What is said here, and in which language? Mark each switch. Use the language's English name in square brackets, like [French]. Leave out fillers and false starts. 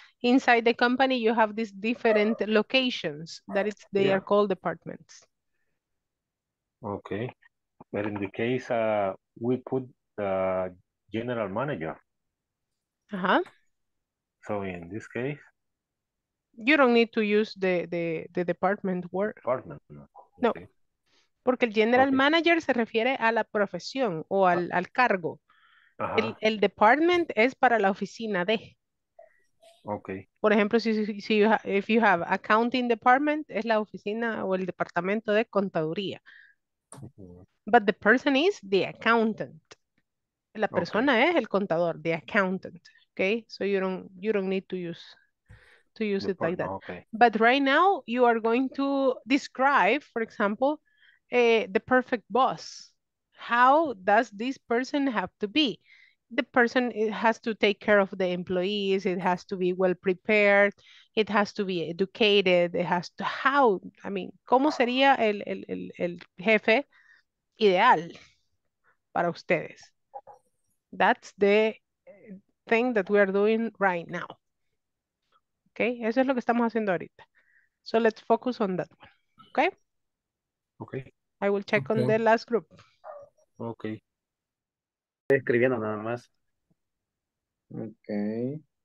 [English] Inside the company, you have these different locations that it's, they are called departments. Okay, but in the case, we put the general manager. So in this case, you don't need to use the department word. Department. No. [Spanish] Porque el general manager se refiere a la profesión o al, al cargo. El department es para la oficina de. [English] Okay. [Spanish] Por ejemplo, [English] if you have accounting department, [Spanish] es la oficina o el departamento de contaduría. [English] But the person is the accountant. [Spanish] La persona es el contador, [English] the accountant. Okay, so you don't need to use report, it like that. Okay. But right now you are going to describe, for example, the perfect boss. How does this person have to be? The person, it has to take care of the employees. It has to be well prepared. It has to be educated. It has to, how, I mean, [Spanish] ¿cómo sería el jefe ideal para ustedes? [English] That's the thing that we are doing right now. [Spanish] Okay, eso es lo que estamos haciendo ahorita. [English] So let's focus on that one. Okay? Okay. I will check on the last group. Okay. [Spanish] Estoy escribiendo nada más. [English] Okay.